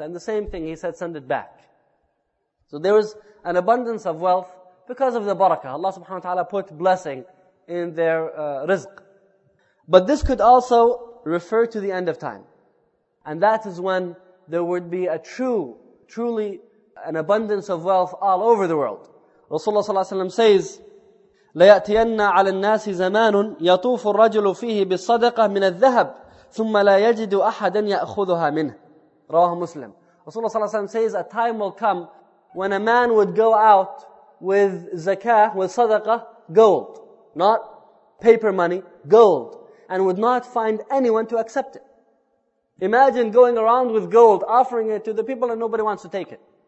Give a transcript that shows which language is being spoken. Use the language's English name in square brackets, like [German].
[English] And the same thing, he said, send it back. So there was an abundance of wealth because of the barakah. Allah subhanahu wa ta'ala put blessing in their rizq. But this could also refer to the end of time. And that is when there would be a truly an abundance of wealth all over the world. [Arabic] Rasulullah sallallahu alaihi wasallam says, لَيَأْتِيَنَّ عَلَى النَّاسِ زَمَانٌ يَطُوفُ الرَّجُلُ فِيهِ بِالصَّدَقَةِ مِنَ الذَّهَبِ ثُمَّ لَا يَجِدُ أَحَدًا يَأْخُذُهَا مِنْهِ. رواه مسلم. [English] Rasulullah sallallahu alaihi wasallam says, a time will come when a man would go out with zakah, with sadaqah, gold. Not paper money, gold. And would not find anyone to accept it. Imagine going around with gold, offering it to the people and nobody wants to take it.